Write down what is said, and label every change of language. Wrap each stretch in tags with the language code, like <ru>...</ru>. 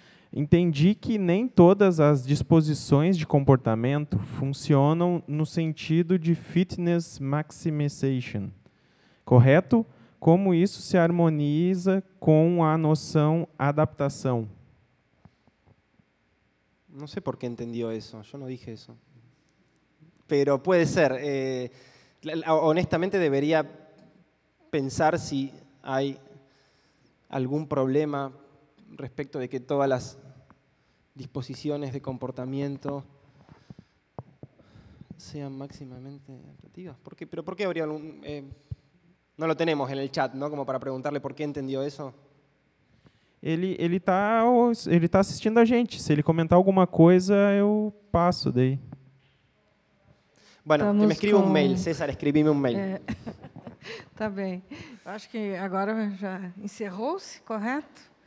<pt>Entendi que nem todas as disposições de comportamento funcionam no sentido de fitness maximization. Correto? Como isso se harmoniza com a noção adaptação? Não sei por que entendeu isso. Eu não disse isso.</pt> <es>Pero puede ser. Honestamente, debería pensar si hay algún problema respecto de que todas las disposiciones de comportamiento sean máximamente adaptativas. ¿Por qué habría algún...? No lo tenemos en el chat, ¿no? Como para preguntarle por qué entendió eso. Él está asistiendo a gente. Si él comenta alguna cosa, yo paso de ahí. Bueno, que me escriba um mail, César,</es> <pt>escrevi-me um mail. Tá bem. Acho que agora já encerrou-se, correto?</pt>